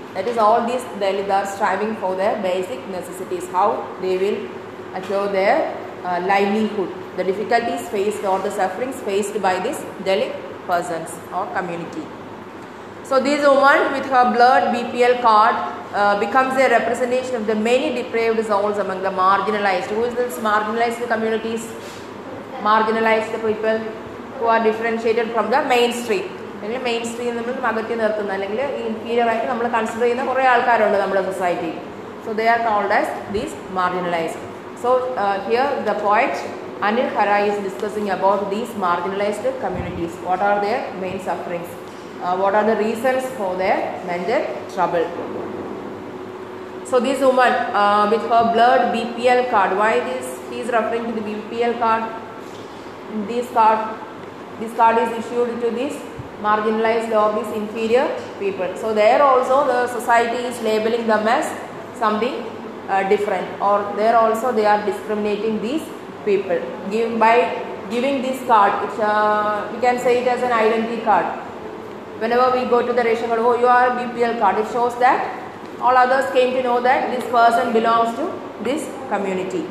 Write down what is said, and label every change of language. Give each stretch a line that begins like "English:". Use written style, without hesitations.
English: That is all these Dalits are striving for their basic necessities, how they will achieve their livelihood, the difficulties faced or the sufferings faced by these Dalit persons or community. So this woman with her blurred BPL card becomes a representation of the many depraved souls among the marginalized. Who is this marginalized communities? Marginalized people who are differentiated from the mainstream.
Malayalam: അല്ലെങ്കിൽ main stream നമ്മൾ മകത്തി നിർത്തുന്ന അല്ലെങ്കിൽ inferior ആയിട്ട് നമ്മൾ consider ചെയ്യുന്ന കുറേ ആൾക്കാരുണ്ട് നമ്മുടെ society.
English: So they are called as these marginalized. So here the poet Anil Khara is discussing about these marginalized communities. What are their main sufferings? What are the reasons for their mental trouble? So these woman with her blood B P L card, why these he is referring to the B P L card? These card is issued to these marginalized or these inferior people. So there also the society is labeling them as something different, or there also they are discriminating these people by giving this card. It's we can say it as an identity card. Whenever we go to the ration card, you are a BPL card, it shows that all others came to know that this person belongs to this community.